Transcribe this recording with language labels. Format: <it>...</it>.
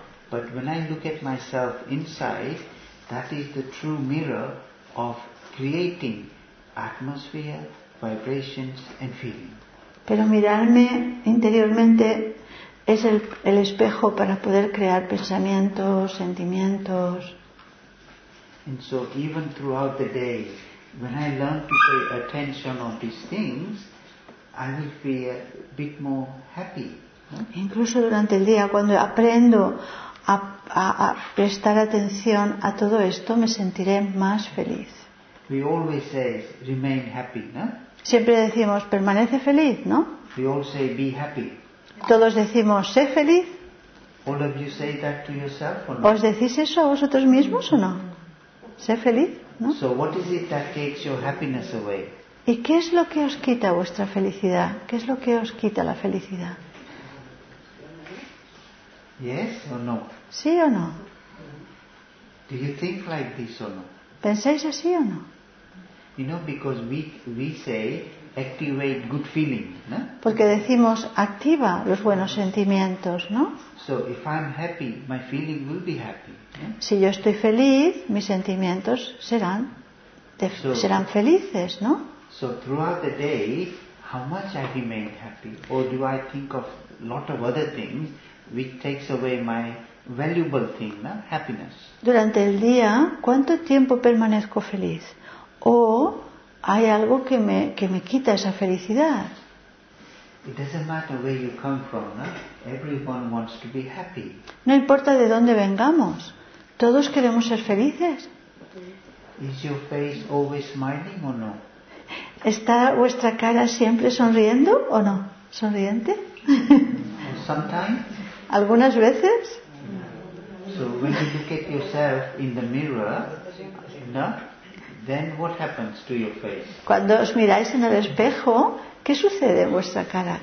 <en>But when I look at myself inside, that is the true mirror of creating atmosphere, vibrations, and feeling.</en> <es>Pero mirarme interiormente es el espejo para poder crear pensamientos, sentimientos.</es> <en>And so even throughout the day, when I learn to pay attention on these things, I will feel a bit more happy.</en> <es>Incluso durante el día, cuando aprendo a prestar atención a todo esto, me sentiré más feliz.</es> <en>We always say, remain happy, no?</en> <es>Siempre decimos, permanece feliz, ¿no?</es> <en>We all say, be happy.</en> <es>Todos decimos, sé feliz.</es> <en>All of you say that to yourself or not?</en> <es>¿Os decís eso a vosotros mismos o no? Sé feliz, ¿no?</es> <en>So what is it that takes your happiness away?</en> <es>¿Y qué es lo que os quita vuestra felicidad? ¿Qué es lo que os quita la felicidad?</es> <en>Yes or no?</en> <es>¿Sí o no?</es> <en>Do you think like this or no?</en> <es>¿Pensáis así o no?</es> <en>You know, because we say activate good feeling, no?</en> <es>Porque decimos activa los buenos sentimientos, ¿no?</es> <en>So if I'm happy, my feeling will be happy.</en> <es>Si yo estoy feliz, mis sentimientos serán felices, ¿no?</es> <en>So throughout the day, how much I remain happy, or do I think of lot of other things which takes away my valuable thing, no? Happiness.</en> <es>Durante el día, ¿cuánto tiempo permanezco feliz? ¿O hay algo que me quita esa felicidad?</es> <en>It doesn't matter where you come from, no? Everyone wants to be happy.</en> <es>No importa de dónde vengamos, todos queremos ser felices.</es> <en>Is your face always smiling or no?</en> <es>¿Está vuestra cara siempre sonriendo o no? ¿Sonriente?</es> <en>Sometimes.</en> <es>¿Algunas veces?</es> <en>So when you look at yourself in the mirror, no? Then what happens to your face?</en> <es>Cuando os miráis en el espejo, ¿qué sucede a vuestra cara?</es>